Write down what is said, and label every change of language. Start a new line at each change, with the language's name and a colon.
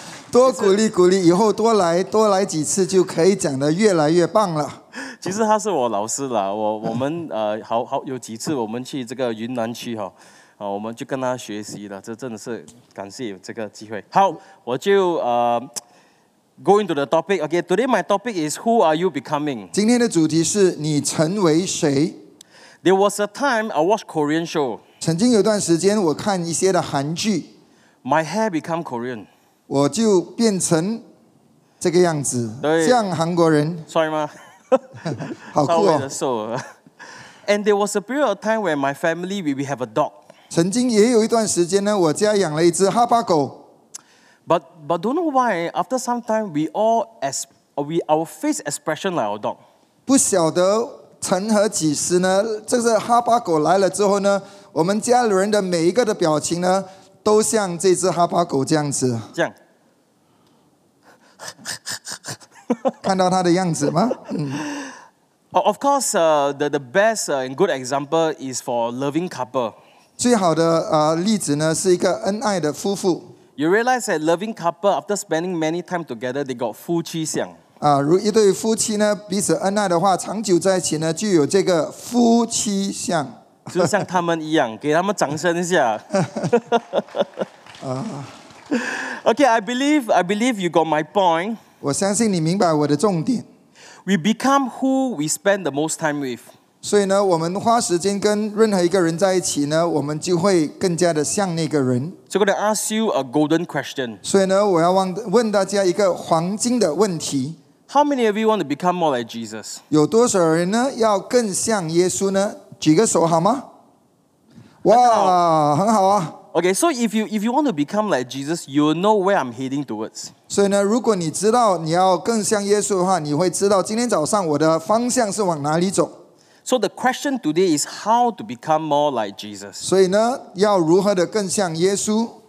Chinese: 多鼓励鼓励，以后多来几次，就可以讲得越来越棒了。其实他是我老师啦，我们好有几次我们去这个云南区哈。我们就跟他学习了，这真的是感谢这个机会。好，我就
English: go into the topic. Okay, today my topic is who are you becoming?
Chinese: 今天的主题是你成为谁。
English: There was a time I watched Korean show.
Chinese: 曾经有段时间我看一些的韩剧。
English: My hair become Korean.
Chinese: 我就变成这个样子，像韩国人。帅吗？好酷哦。
English: And there was a period of time where my family we have a dog.
Chinese: 曾经也有一段时间呢，我家养了一只哈巴狗。
English: But don't know why after some time our face expression like our dog.
Chinese: 不晓得成何几时呢？这个哈巴狗来了之后呢，我们家人的每一个的表情呢，都像这只哈巴狗这样子。这样。看到它的样子吗？
English: Of course, the best and good example is for loving couple.
Chinese: 最好的例子呢，是一个恩爱的夫妇。
English: You realize that loving couple after spending many time together, they got
Chinese: 夫妻相。如一对夫妻呢彼此恩爱的话，长久在一起呢，就有这个夫妻相。就像他们一样，给他们掌声一下。
English: Okay, I believe you got my point.
Chinese: 我相信你明白我的重点。
English: We become who we spend the most time with.
Chinese: 所以呢，我们花时间跟任何一个人在一起呢，我们就会更加的像那个人。
English: So I'm going to ask you a golden question.
Chinese: 所以呢，我要问大家一个黄金的问题。
English: How many of you want to become more like Jesus?
Chinese: 有多少人呢要更像耶稣呢？举个手好吗？哇，很好啊。
English: Okay, so if you want to become like Jesus, you will know where I'm heading towards.
Chinese: 所以呢，如果你知道你要更像耶稣的话，你会知道今天早上我的方向是往哪里走。
English: So the question today is how to become more like Jesus.
Chinese: 所以呢，要如何的更像耶稣？